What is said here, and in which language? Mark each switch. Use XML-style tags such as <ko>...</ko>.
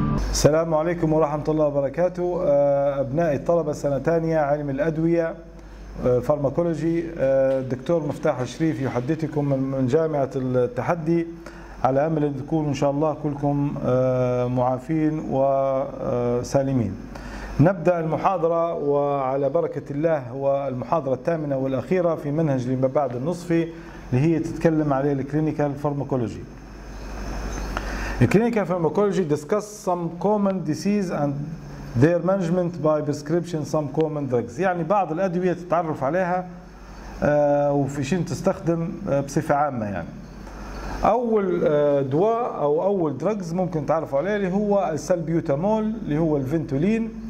<ar>السلام عليكم ورحمة الله وبركاته. أبنائي الطلبة سنة ثانية علم الأدوية فارماكولوجي، الدكتور مفتاح الشريف يحدثكم من جامعة التحدي، على أمل أن تكونوا إن شاء الله كلكم معافين وسالمين. نبدأ المحاضرة وعلى بركة الله، والمحاضرة الثامنة والأخيرة في منهج لما بعد النصفي اللي هي تتكلم عليه الكلينيكال فارماكولوجي.</ar> <en>The clinical pharmacology discusses some common disease and their management by prescription some common drugs.</en> <ar>يعني بعض الأدوية تتعرف عليها وفي شين تستخدم بصفة عامة. يعني أول دواء أو أول drugs ممكن تعرف عليه اللي هو السلبيوتامول اللي هو الفنتولين.</ar>